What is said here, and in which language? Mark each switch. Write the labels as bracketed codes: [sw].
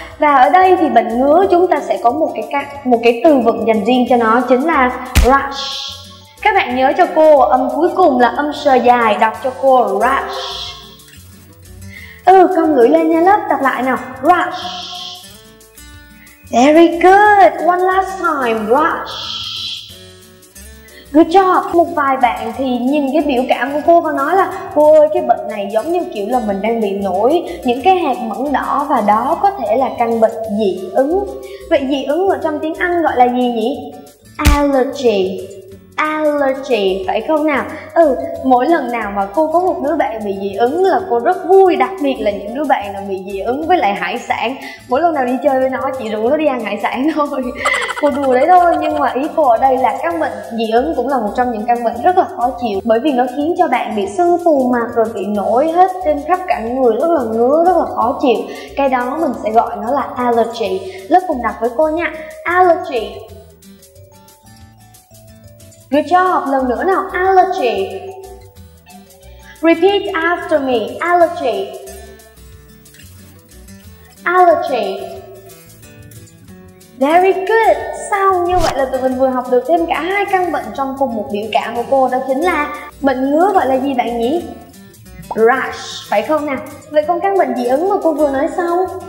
[vi] Và ở đây thì bệnh ngứa chúng ta sẽ có một cái từ vựng dành riêng cho nó, chính là rash. Các bạn nhớ cho cô âm cuối cùng là âm sờ dài, đọc cho cô rash. Ừ, con ngửi lên nha lớp, đọc lại nào. [en] Rash. Very good, one last time, rush. Good job. [vi] Một vài bạn thì nhìn cái biểu cảm của cô và nói là cô ơi, cái bệnh này giống như kiểu là mình đang bị nổi những cái hạt mẩn đỏ, và đó có thể là căn bệnh dị ứng. Vậy dị ứng ở trong tiếng Anh gọi là gì nhỉ? Allergy. Allergy, phải không nào? Ừ, mỗi lần nào mà cô có một đứa bạn bị dị ứng là cô rất vui. Đặc biệt là những đứa bạn nào bị dị ứng với lại hải sản. Mỗi lần nào đi chơi với nó, chị rủ nó đi ăn hải sản thôi. Cô đùa đấy thôi. Nhưng mà ý cô ở đây là căn bệnh dị ứng cũng là một trong những căn bệnh rất là khó chịu, bởi vì nó khiến cho bạn bị sưng phù mặt, rồi bị nổi hết trên khắp cả người, rất là ngứa, rất là khó chịu. Cái đó mình sẽ gọi nó là allergy. Lớp cùng đọc với cô nha. Allergy. [en] Good job, [vi] lần nữa nào, allergy. [en] Repeat after me, allergy. Allergy. Very good, [vi] sau như vậy là tụi mình vừa học được thêm cả hai căn bệnh trong cùng một biểu cảm của cô, đó chính là bệnh ngứa gọi là gì bạn nhỉ? Rash, phải không nào? Vậy còn căn bệnh dị ứng mà cô vừa nói xong?